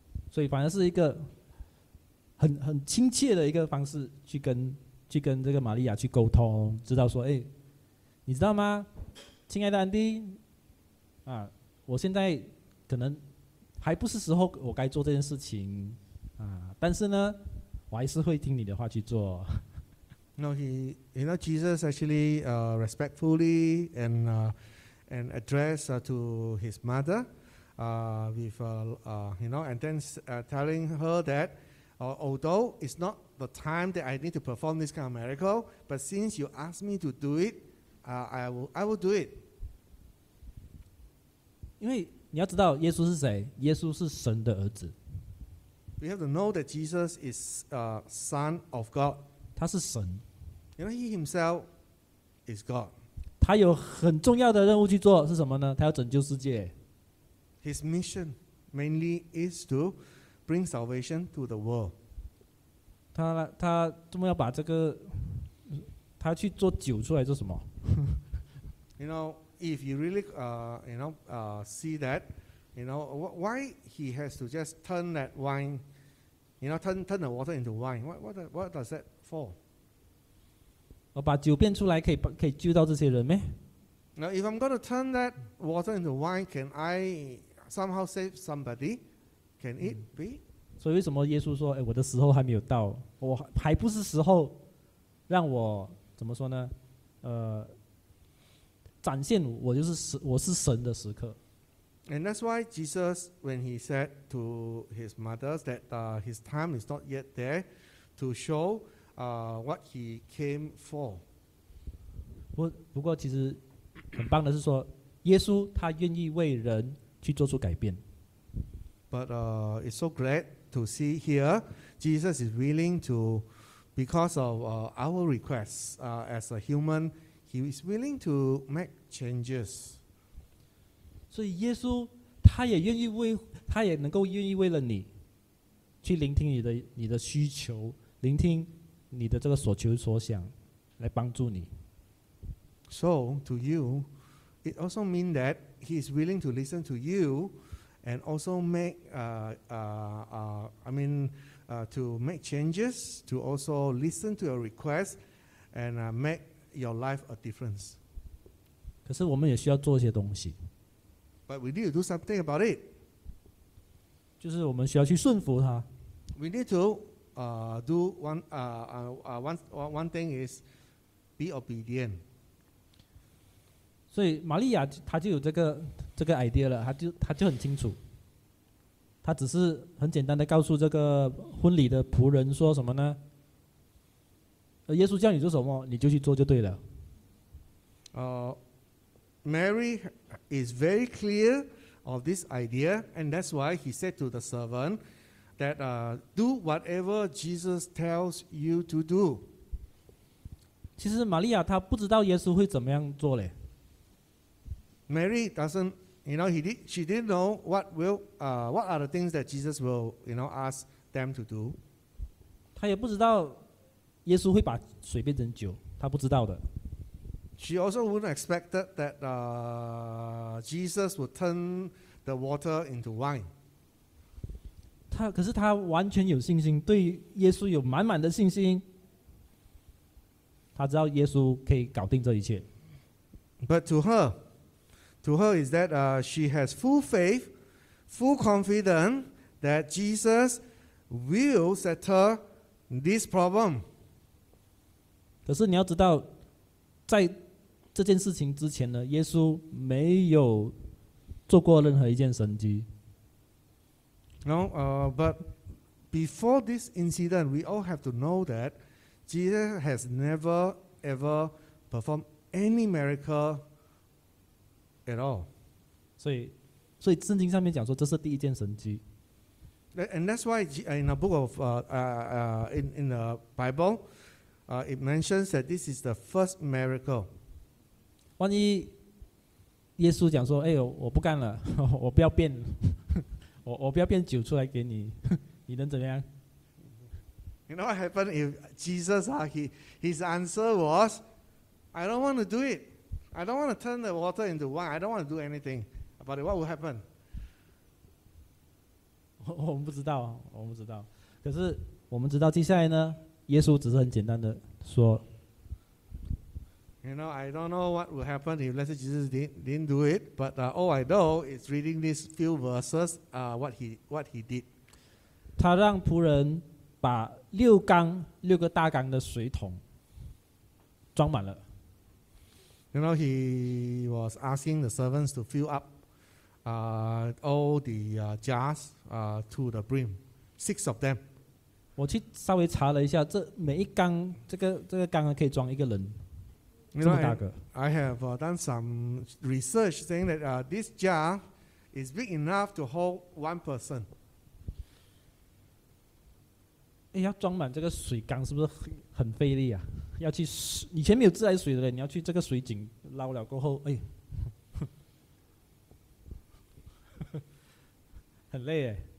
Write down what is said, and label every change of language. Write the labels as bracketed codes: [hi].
[zh] 所以反而是一个很亲切的一个方式去跟这个玛利亚去沟通，知道说，哎，你知道吗，亲爱的安迪，啊，我现在可能还不是时候我该做这件事情，啊，但是呢，我还是会听你的话去做。 [en] No, he, you know, Jesus actually, respectfully and address to his mother. Telling her that, although it's not the time that I need to perform this kind of miracle, but since you asked me to do it, I will do it. [zh] 因为你要知道耶稣是谁，耶稣是神的儿子。 [en] We have to know that Jesus is Son of God. [zh] 他是神。 [en] You know, he himself is God. [zh] 他有很重要的任务去做，是什么呢？他要拯救世界。 [en] His mission mainly is to bring salvation to the world. [zh] 他这么要把这个，他去做酒出来做什么？ [en] You know, if you really see that, you know why he has to just turn that wine, you know turn the water into wine. What does that for? [zh] 我把酒变出来可以救到这些人咩？ [en] Now, if I'm going to turn that water into wine, can I? Somehow save somebody, can it be? [zh] 所以为什么耶稣说，哎，我的时候还没有到，我还不是时候，让我怎么说呢？展现我就是我是神的时刻。 [en] And that's why Jesus, when he said to his mother that his time is not yet there, to show what he came for. [zh] 不过其实很棒的是说，耶稣他愿意为人。去做出改变。 [en] But it's so great to see here, Jesus is willing to, because of our requests, as a human, he is willing to make changes. [zh] 所以耶稣他也愿意为他也能够愿意为了你，去聆听你的需求，聆听你的这个所求所想，来帮助你。 [en] So to you, it also means that. He is willing to listen to you, and also make to make changes, to also listen to your request, and make your life a difference. [zh] 可是我们也需要做一些东西。 [en] But we need to do something about it. [zh] 就是我们需要去顺服他。 [en] We need to do one thing is be obedient. [zh] 所以玛利亚她就有这个 idea 了，她就很清楚，她只是很简单的告诉这个婚礼的仆人说什么呢？耶稣叫你做什么，你就去做就对了。 [en] Mary is very clear of this idea, and that's why he said to the servant that do whatever Jesus tells you to do. [zh] 其实玛利亚她不知道耶稣会怎么样做嘞。 [en] Mary doesn't you know, she didn't know what are the things that Jesus will, you know, ask them to do. [zh] 她也不知道耶稣会把水变成酒，她不知道的。 [en] She also wouldn't expect that Jesus would turn the water into wine. [zh] 她可是她完全有信心，对耶稣有满满的信心。她知道耶稣可以搞定这一切。 [en] But to her is that she has full faith, full confidence that Jesus will settle this problem. [zh] 可是你要知道，在这件事情之前呢，耶稣没有做过任何一件神迹。 [en] No, but before this incident, we all have to know that Jesus has never ever performed any miracle at all. [zh] 所以圣经上面讲说这是第一件神迹。 [en] And that's why in the book of in the Bible, it mentions that this is the first miracle. [zh] 万一耶稣讲说，哎呦，我不干了，我不要变，我不要变酒出来给你，你能怎么样？ [en] You know what happened if Jesus, his answer was, I don't want to do it. I don't want to turn the water into wine. I don't want to do anything about it. What will happen? [zh] 我们不知道，我们不知道。可是我们知道接下来呢，耶稣只是很简单的说。 [en] You know, I don't know what will happen if let's say Jesus didn't do it, but all I know is reading these few verses, what he did. [zh] 他让仆人把六个大缸的水桶装满了。 [en] You know, he was asking the servants to fill up all the jars to the brim, six of them. [zh] 我去稍微查了一下，这每一缸这个缸可以装一个人。 [en] You know, I have done some research saying that this jar is big enough to hold one person. [zh] 哎，要装满这个水缸是不是很费力啊？要去以前没有自来水的人，你要去这个水井捞了过后，哎，很累哎。